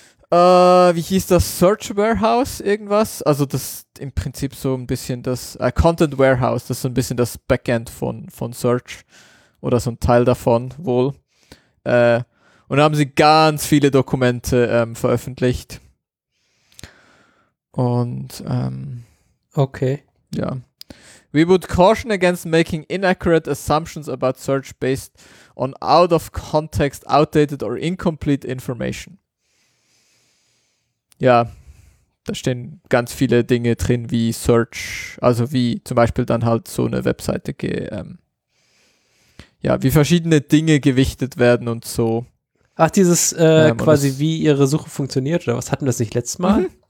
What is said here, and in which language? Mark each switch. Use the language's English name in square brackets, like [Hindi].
[German] Wie hieß das? Search Warehouse irgendwas? Also das im Prinzip so ein bisschen das Content Warehouse, das ist so ein bisschen das Backend von Search oder so ein Teil davon wohl. Und da haben sie ganz viele Dokumente veröffentlicht. Und okay. Ja. [English] We would caution against making inaccurate assumptions about search based on out of context, outdated or incomplete information. [German] Ja, da stehen ganz viele Dinge drin, wie Search, also wie zum Beispiel dann halt so eine Webseite, wie verschiedene Dinge gewichtet werden und so. Ach, dieses quasi das, wie ihre Suche funktioniert, oder was, hatten wir das nicht letztes Mal?